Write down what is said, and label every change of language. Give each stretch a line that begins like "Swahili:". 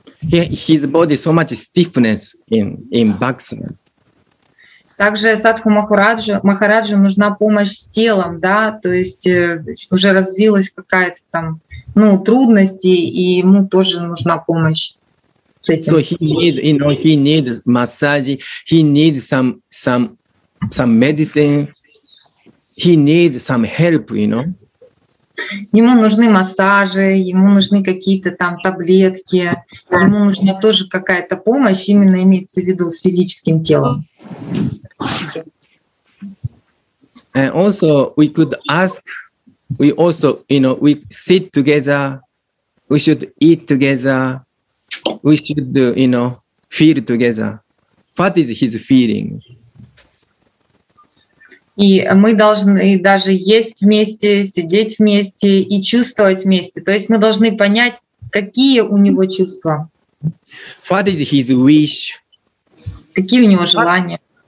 English: His body so much stiffness in backside.
Russian: Также Садху Махараджу нужна помощь с телом, да, то есть уже развилась какая-то там, ну, трудность, и ему тоже нужна помощь с этим.
English: So he needs massage, he needs some medicine, he needs some help, you know.
Russian: Ему нужны массажи, ему нужны какие-то там таблетки, ему нужна тоже какая-то помощь, именно имеется в виду с физическим телом.
English: And also we could ask, we also, you know, we sit together, we should eat together, we should, you know, feel together. What is his feeling?
Russian: И мы должны даже есть вместе, сидеть вместе и чувствовать вместе. То есть мы должны понять, какие у него чувства.
English: What is his wish?
Russian: Какие у него желания?